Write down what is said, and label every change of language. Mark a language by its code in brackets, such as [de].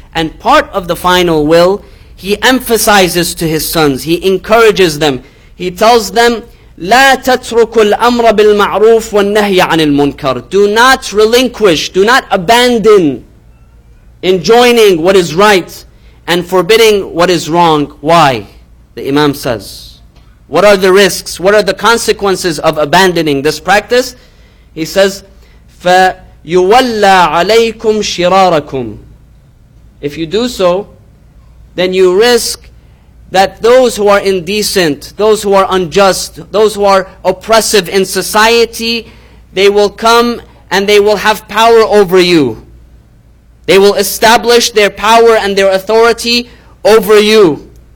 [en] And part of the final will, he emphasizes to his sons, he encourages them, he tells them, [ar] لا تترك الأمر بالمعروف والنهي عن المنكر. [en] Do not relinquish, do not abandon enjoining what is right and forbidding what is wrong. Why? The Imam says. What are the risks? What are the consequences of abandoning this practice? He says, [ar] فَيُوَلَّى عَلَيْكُمْ شِرَارَكُمْ. [en] If you do so, then you risk that those who are indecent, those who are unjust, those who are oppressive in society, they will come and they will have power over you. They will establish their power and their authority over you.